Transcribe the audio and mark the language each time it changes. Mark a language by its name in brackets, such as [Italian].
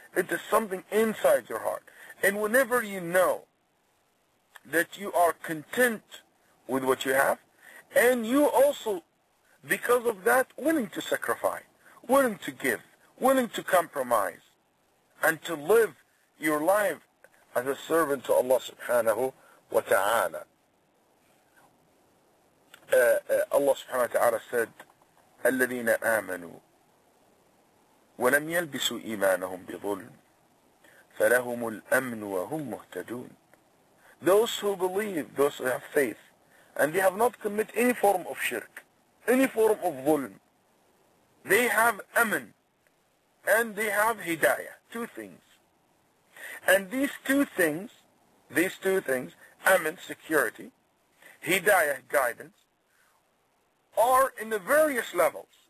[English] It is something inside your heart. And whenever you know that you are content with what you have, and you also, because of that, willing to sacrifice, willing to give, willing to compromise, and to live your life as a servant to Allah subhanahu wa ta'ala. Allah subhanahu wa ta'ala said, [Arabic] الَّذِينَ آمَنُوا ولم يلبسوا إيمانهم بظلم فلهم الأمن وهم مهتدون. [English] Those who believe, those who have faith, and they have not committed any form of shirk, any form of ظلم, they have أمن and they have هدايه, two things. And these two things, أمن, security, هدايه, guidance, are in the various levels.